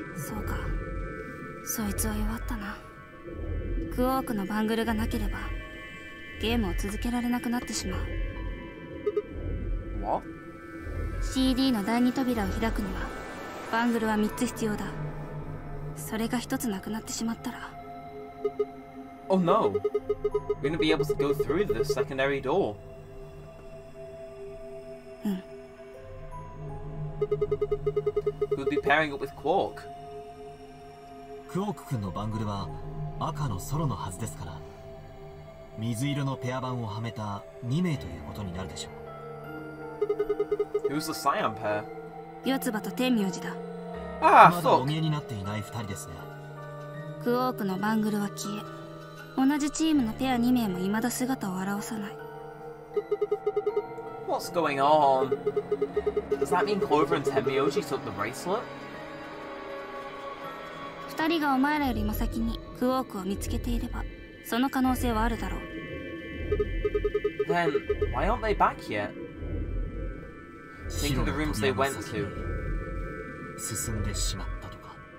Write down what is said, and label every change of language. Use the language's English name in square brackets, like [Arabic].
[Japanese] そうか、そいつは弱ったな。クォークのバングルがなければゲームを続けられなくなってしまう。 [English] What? [Japanese] CD の第二扉を開くにはバングルは3つ必要だ。それが一つなくなってしまったら。 [English] Oh no! We're gonna be able to go through the secondary door. [Japanese] うん。 [English] We'll be pairing up with Quark. [Japanese] クォーク君のバングルは赤のソロのはずですから、水色のペア版をはめた2名ということになるでしょう。 [English] Who's the Cyan pair? [Japanese] 四つ葉と天明寺だ。ああ、そう。まだお見えになっていない二人ですね。クォークのバングルは消え、同じチームのペア2名も未だ姿を現さない。 [English] What's going on? Does that mean Clover and Tenmyoji took the bracelet? [Japanese] 二人がお前らよりも先にクォークを見つけていれば、その可能性はあるだろう。 [English] Then, why aren't they back yet? Think of the rooms they went to. [Japanese] 進んでしまったとか。